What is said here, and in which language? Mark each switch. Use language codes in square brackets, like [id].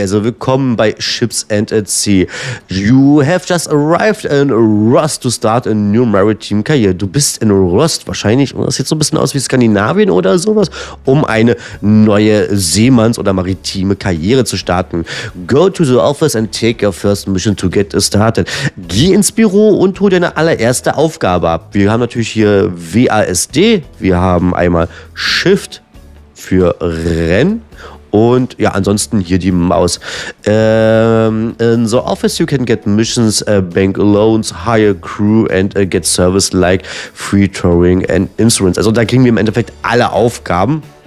[de] Also willkommen bei [en] Ships and at Sea. You have just arrived in Rust to start a new maritime career. [de] Du bist in Rust wahrscheinlich. Das sieht so ein bisschen aus wie Skandinavien oder sowas. Um eine neue Seemanns- oder maritime Karriere zu starten. [en] Go to the office and take your first mission to get started. [de] Geh ins Büro und hol deine allererste Aufgabe ab. Wir haben natürlich hier WASD. Wir haben einmal Shift für Renn und ja, ansonsten hier die Maus. [en] In the office you can get missions, bank loans, hire crew and get service like free touring and insurance. [de] Also da kriegen wir im Endeffekt alle Aufgaben.